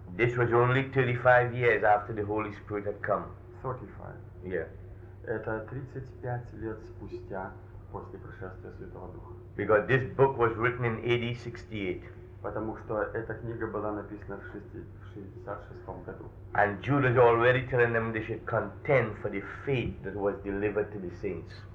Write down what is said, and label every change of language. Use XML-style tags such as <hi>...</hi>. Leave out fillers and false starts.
<en>This was only 35 years after the Holy Spirit had come. 35. Yeah.</en> <ru>Это 35 лет спустя после пришествия Святого Духа.</ru> <en>Because this book was written in AD 68.</en> <ru>Потому что эта книга была написана в 66 году.</ru> <en>And Judas already telling them they should contend for the faith that was delivered to the saints.</en>